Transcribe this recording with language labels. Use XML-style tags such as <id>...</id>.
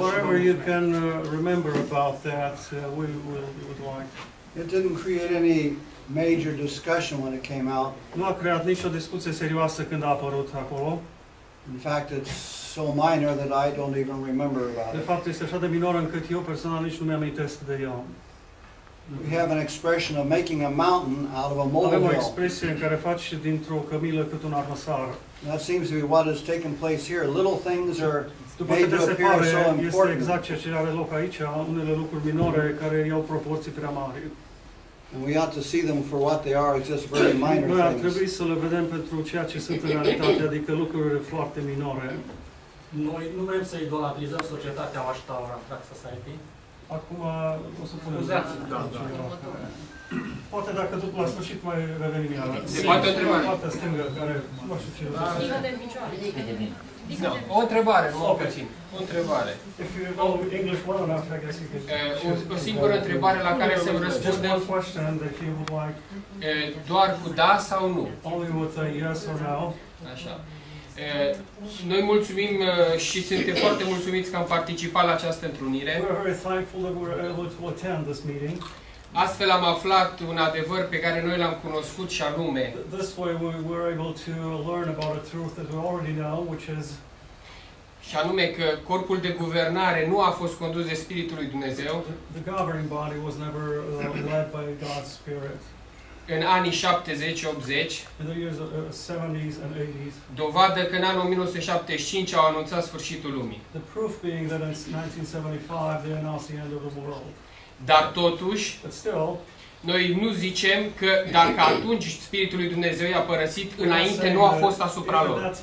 <en>Whatever you can remember about that, we would like. It didn't create any major discussion when it came out.</en> <ro>Nu a creat nicio discuție serioasă când a apărut acolo.</ro> <en>In fact, it's so minor that I don't even remember about it.</en> <ro>De fapt, este așa de minor încât eu personal nici nu mi-am amintit de el.</ro> <en>We have an expression of making a mountain out of a molehill.</en> <ro>Avem o expresie care face dintr-o cămilă cât un arhăsar.</ro> <en>That seems to be what has taken place here. Little things are made to appear</en> <ro>pare,</ro> <en>so important.</en> <ro>Este exact ceea ce are loc aici, unele lucruri minore care iau proporții prea mari.</ro> <en>And we ought to see them for what they are, just very minor things.</en> <ro>Noi ar trebui să le vedem pentru ceea ce sunt în realitate, adică lucruri foarte minore. Noi nu vrem să idolatrizăm societatea Watchtower Tract Society. Acum o să punem următoarea. Poate dacă după la sfârșit mai revenim iară. Se poate întreba. Partea stângă care nu știu ce. Ridică de picioare. No. O întrebare, mai puțin. O întrebare.</ro> <en>If you know English well enough, I guess you could...</en> <ro>O singură întrebare la care să-mi răspundem.</ro> <en>Just one question that you would like.</en> <ro>Doar cu da sau nu?</ro> <en>Only with a yes or no.</en> <ro>Așa. Noi mulțumim și suntem foarte mulțumiți că am participat la această întrunire.</ro> <en>We're very thankful that we're able to attend this meeting.</en> <ro>Astfel am aflat un adevăr pe care noi l-am cunoscut și anume.</ro> <en>This way we were able to learn about a truth that we already know, which is</en> <ro>și anume că corpul de guvernare nu a fost condus de Spiritul lui Dumnezeu.</ro> <en>The governing body was never led by God's Spirit.</en> <ro>În anii 70-80.</ro> <en>In the years of 70s and 80s.</en> <ro>Dovadă că în anul 1975 au anunțat sfârșitul lumii.</ro> <en>The proof being that in 1975 they announced the end of the world.</en> <ro>Dar totuși,</ro> <en>still,</en> <ro>noi nu zicem că dacă atunci Spiritul lui Dumnezeu i-a părăsit, înainte nu a fost asupra lor.</ro>